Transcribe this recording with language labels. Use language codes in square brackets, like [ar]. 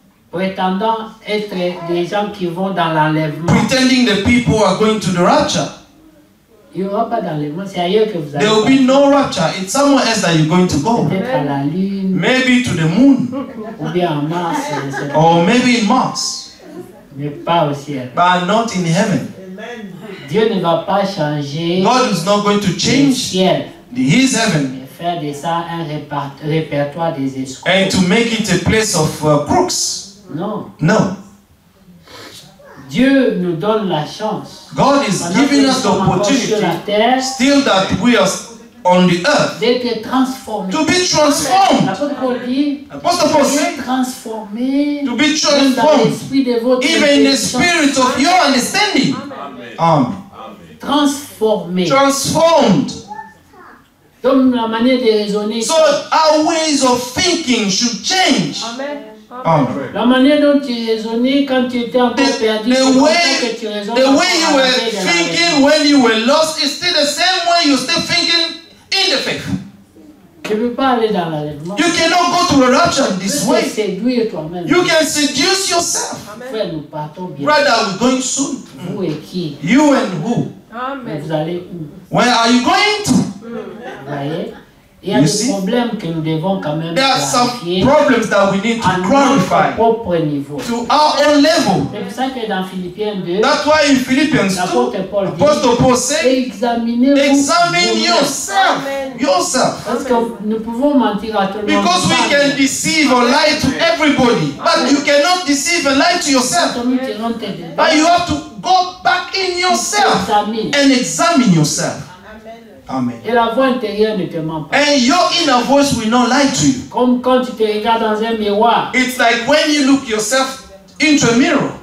[fr] Prétendant être des gens qui vont dans l'enlèvement. [en] Pretending the people are going to the rapture. [fr] Il n'y aura pas d'enlèvement, c'est ailleurs que vous allez. [en] There will be no rapture. It's somewhere else that you're going to go. [fr] Peut-être à la lune. [en] Maybe to the moon. [fr] Ou bien en Mars. [en] Or maybe in Mars. [fr] Mais pas au ciel. [en] But not in heaven. [fr] Dieu ne va pas changer. [en] God is not going to change [fr] le ciel. [en] His heaven. [fr] Et faire de ça un répertoire des escrocs. [en] And to make it a place of crooks. [fr] Non. [en] No. [fr] Dieu nous donne la chance. [en] God is giving us the opportunity, [fr] terre, [en] still that we are on the earth, [fr] d'être transformé. [en] To be transformed. [fr] L'apôtre Paul dit, transformé. [en] To be transformed, even in the spirit of your understanding. Amen. [fr] Transformé. [en] Transformed. [fr] Donc la manière de raisonner. [en] So our ways of thinking should change. Amen. [fr] La manière dont tu raisonnais quand tu étais encore perdu, [en] the way you were thinking when you were lost is still the same way you still thinking in the faith. [fr] Tu peux pas aller dans l'enlèvement. [en] You cannot go to the rapture this way. [fr] Tu peux séduire toi-même. [en] You can seduce yourself. [fr] Frère, nous partons bien. [en] Brother, we're going soon. [fr] Vous et qui? [en] You and who? Amen. [fr] Vous allez où? [en] Where are you going to? [fr] Il y a des problèmes que nous devons quand même clarifier. [en] There are some problems that we need to clarify. [fr] À notre niveau. [en] To our own level. [fr] C'est pour ça que dans Philippiens 2. [en] That's why in Philippians 2. [fr] L'apôtre Paul dit. [en] Examine yourself. Yourself. [fr] Parce que nous pouvons mentir à tout le monde. [en] Because we can deceive or lie to everybody, but you cannot deceive and lie to yourself. But you have to go back in yourself and examine yourself. Amen. [fr] Et la voix intérieure ne te ment pas. [en] And your inner voice will not lie to you. [fr] Comme quand tu te regardes dans un miroir. [en] It's like when you look yourself into a mirror.